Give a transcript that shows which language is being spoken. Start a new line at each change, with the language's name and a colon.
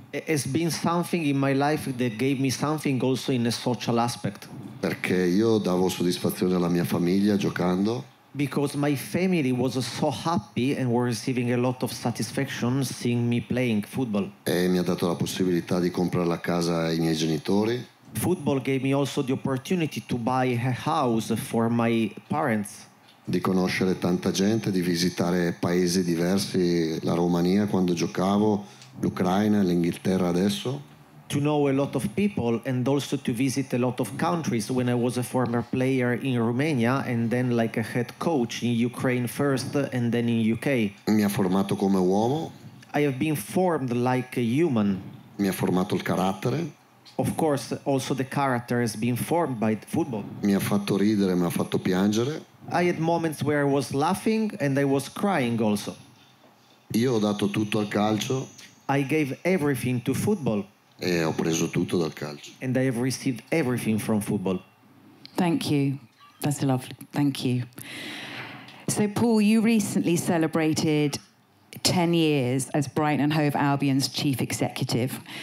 English: It's been something in my life that gave me something also in a social aspect.
Italian: Perché io davo soddisfazione alla mia famiglia giocando.
English: Because my family was so happy and were receiving a lot of satisfaction seeing me playing football.
Italian: E mi ha dato la possibilità di comprare la casa ai miei genitori.
English: Football gave me also the opportunity to buy a house for my parents.
Italian: Di conoscere tanta gente, di visitare paesi diversi, la Romania quando giocavo, l'Ucraina, l'Inghilterra adesso.
English: To know a lot of people and also to visit a lot of countries when I was a former player in Romania and then like a head coach in Ukraine first and then in UK.
Italian: Mi ha formato come uomo.
English: I have been formed like a human.
Italian: Mi ha formato il carattere.
English: Of course, also the character has been formed by the football.
Italian: Mi ha fatto ridere, mi ha fatto piangere.
English: I had moments where I was laughing and I was crying also.
Italian: Io ho dato tutto al calcio.
English: I gave everything to football.
Italian: E ho preso tutto dal calcio.
English: And I have received everything from football. Thank you. That's lovely. Thank you. So, Paul, you recently celebrated 10 years as Brighton Hove Albion's chief executive.